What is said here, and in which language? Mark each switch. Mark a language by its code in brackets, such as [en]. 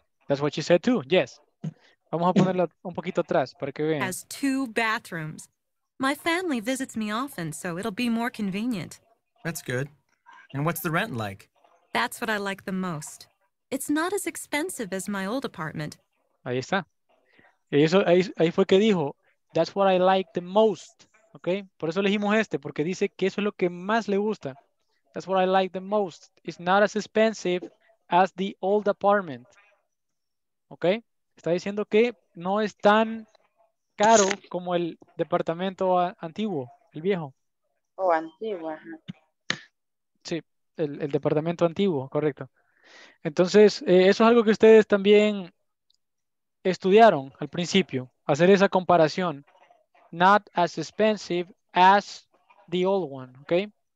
[en] That's what she said too. Yes. [es] Vamos a ponerla un poquito atrás para que vean. [en] Has 2 bathrooms. My family visits me often, so it'll be more convenient. That's good. And what's the rent like? That's what I like the most. It's not as expensive as my old apartment. [es] Ahí está. Ahí fue que dijo, [en] that's what I like the most. [es] Okay, por eso elegimos este, porque dice que eso es lo que más le gusta. [en] That's what I like the most. It's not as expensive as the old apartment. [es] Okay, está diciendo que no es tan caro como el departamento antiguo, el viejo. Oh, antiguo. Sí, el departamento antiguo, correcto. Entonces, eso es algo que ustedes también estudiaron al principio, hacer esa comparación. [en] Not as expensive as the old one, okay?